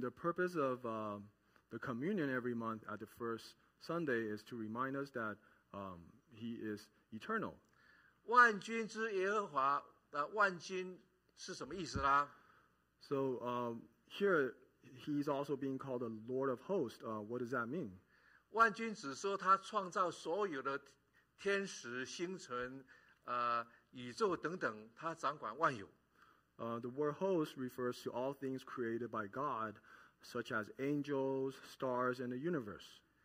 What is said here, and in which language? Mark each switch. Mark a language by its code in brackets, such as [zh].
[en] the purpose of the communion every month at the first Sunday is to remind us that he is eternal. [zh] 万军之耶和华，万军是什么意思啦？ [en] So here he's also being called the Lord of Hosts. What does that mean? [zh] 万军只说他创造所有的天使、星辰、宇宙等等，他掌管万有。 [en] The word host refers to all things created by God, such as angels, stars, and the universe.